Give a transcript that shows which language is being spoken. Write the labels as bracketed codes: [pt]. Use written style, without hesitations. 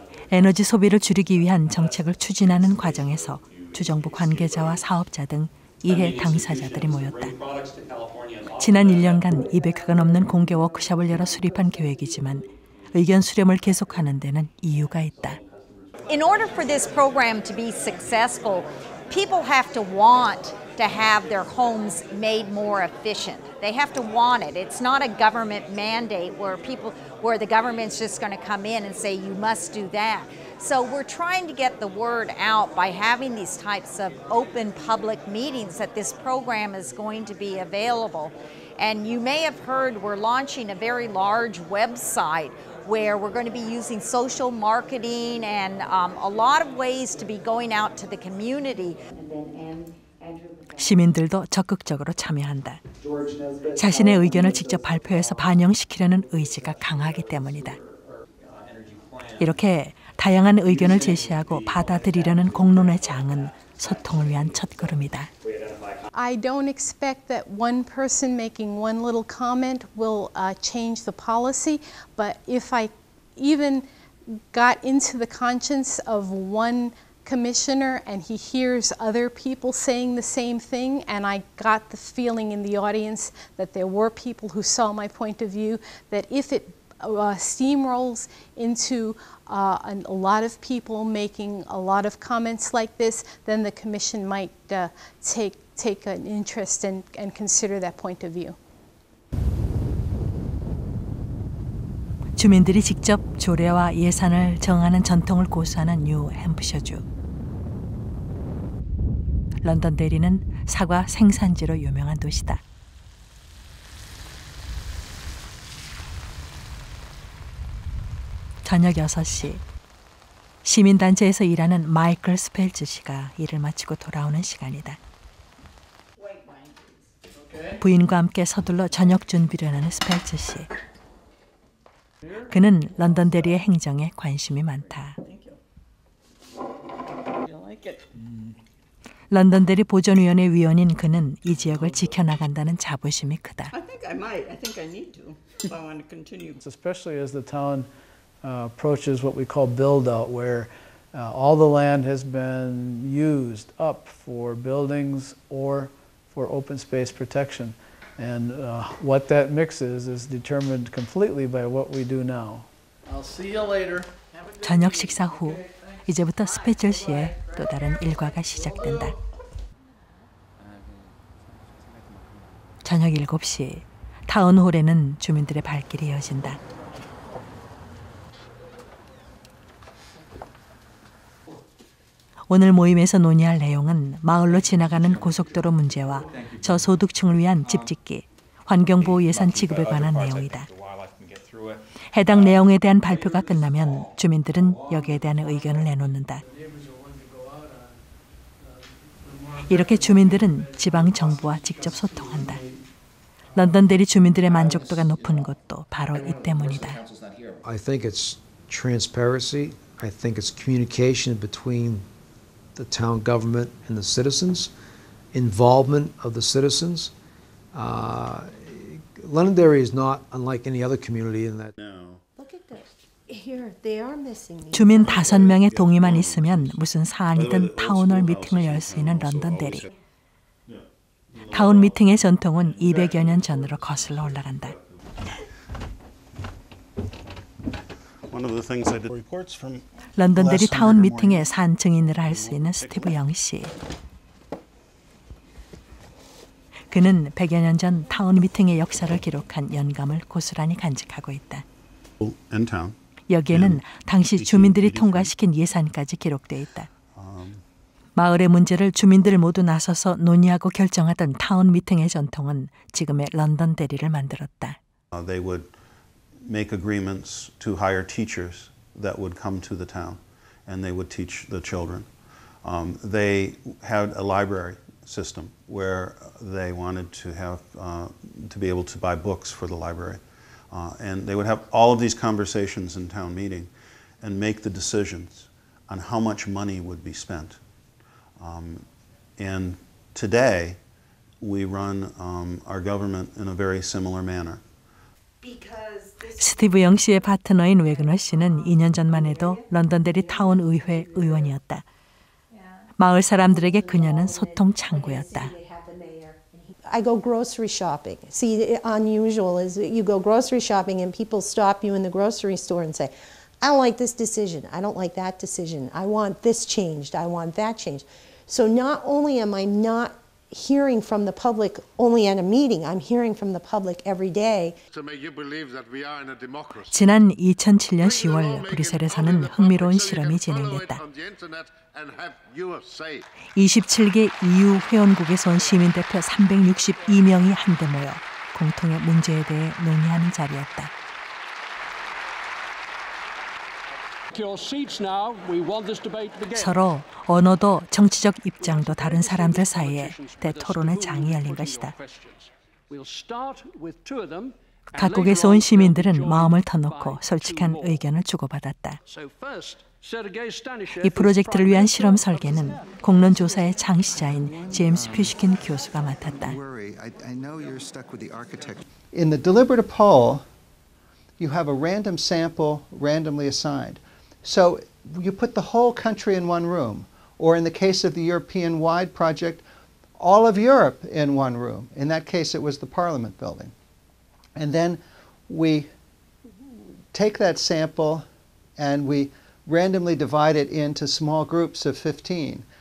[ko] 에너지 소비를 줄이기 위한 정책을 추진하는 과정에서 주정부 관계자와 사업자 등 이해 당사자들이 모였다. 지난 1년간 200회가 넘는 공개 워크숍을 열어 수립한 계획이지만 의견 수렴을 계속하는 데는 이유가 있다. [en] In order for this program to be successful, people have to want to have their homes made more efficient. They have to want it. It's not a government mandate where people where the government's just going to come in and say you must do that. So we're trying to get the word out by having these types of open public meetings that this program is going to be available. And you may have heard we're launching a very large website where we're going to be using social marketing and a lot of ways to be going out to the community. [ko] 시민들도 적극적으로 참여한다. 자신의 의견을 직접 발표해서 반영시키려는 의지가 강하기 때문이다. 이렇게 다양한 의견을 제시하고 받아들이려는 공론의 장은 소통을 위한 첫걸음이다. [en] I don't expect that one person making one little comment will change the policy, but if I even got into the conscience of one commissioner and he hears other people saying the same thing and I got the feeling in the audience that there were people who saw my point of view, that if it steamrolls into a lot of people making a lot of comments like this, then the commission might take an interest and consider that point of view. [ko] 주민들이 직접 조례와 예산을 정하는 전통을 고수하는 뉴 햄프셔주. 런던 대리는 사과 생산지로 유명한 도시다. 저녁 6시, 시민단체에서 일하는 마이클 스펠츠 씨가 일을 마치고 돌아오는 시간이다. 부인과 함께 서둘러 저녁 준비를 하는 스펠츠 씨. 그는 런던 대리의 행정에 관심이 많다. 런던 대리 보존위원회 위원인 그는 이 지역을 지켜나간다는 자부심이 크다. [en] Especially as the town approaches what we call build out, where all the land has been used up for buildings or for open space protection. And what that mix is determined completely by what we do now. I'll see you later. [ko] 저녁 식사 후 이제부터 스페셜 씨의 또 다른 일과가 시작된다. 저녁 7시, 타운홀에는 주민들의 발길이 이어진다. 오늘 모임에서 논의할 내용은 마을로 지나가는 고속도로 문제와 저소득층을 위한 집짓기, 환경보호 예산 지급에 관한 내용이다. 해당 내용에 대한 발표가 끝나면 주민들은 여기에 대한 의견을 내놓는다. 이렇게 주민들은 지방정부와 직접 소통한다. 런던 대리 주민들의 만족도가 높은 것도 바로 이 때문이다. [en] I think it's transparency. I think it's communication between the town government and the citizens. involvement of the citizens. Londonderry is not unlike any other community in that. No. Look at this. Here, they are missing. [ko] 주민 다섯 명의 동의만 있으면 무슨 사안이든 타운홀 미팅을 열 수 있는 런던데리. 타운 미팅의 전통은 200여 년 전으로 거슬러 올라간다. [en] One of the things I did reports from. [ko] 런던데리 타운 미팅의 사안 증인을 할 수 있는 스티브 영 씨. 그는 100여 년 전 타운 미팅의 역사를 기록한 영감을 고스란히 간직하고 있다. 여기에는 당시 주민들이 통과시킨 예산까지 기록되어 있다. 마을의 문제를 주민들 모두 나서서 논의하고 결정하던 타운 미팅의 전통은 지금의 런던 대리를 만들었다. [en] They would make agreements to hire teachers that would come to the town and they would teach the children. They had a library system where they wanted to have to be able to buy books for the library. And they would have all of these conversations in town meeting and make the decisions on how much money would be spent. And today, we run our government in a very similar manner. [ko] 스티브 영 씨의 파트너인 웨그너 씨는 2년 전만 해도 런던데리 타운 의회 의원이었다. 마을 사람들에게 그녀는 소통 창구였다. [en] I go grocery shopping. See, unusual is you go grocery shopping and people stop you in the grocery store and say, I don't like this decision. I don't like that decision. I want this changed. I want that changed. So not only am I not hearing from the public only at a meeting, I'm hearing from the public every day. To make you believe that we are in a democracy. [ko] 지난 2007년 10월 브뤼셀에서는 흥미로운 실험이 진행됐다. 27개 EU 회원국에서 온 시민 대표 362명이 한데 모여 공통의 문제에 대해 논의하는 자리였다. [en] Your seats now. We want this debate to begin. [ko] 서로 언어도 정치적 입장도 다른 사람들 사이에 대토론의 장이 열린 것이다. 각국에서 온 시민들은 마음을 터놓고 솔직한 의견을 주고받았다. 이 프로젝트를 위한 실험 설계는 공론조사의 창시자인 제임스 퓨시킨 교수가 맡았다. [en] In the deliberative poll, you have a random sample randomly assigned. So you put the whole country in one room, or in the case of the European-wide project, all of Europe in one room. In that case, it was the Parliament building. And then we take that sample and we randomly divide it into small groups of 15.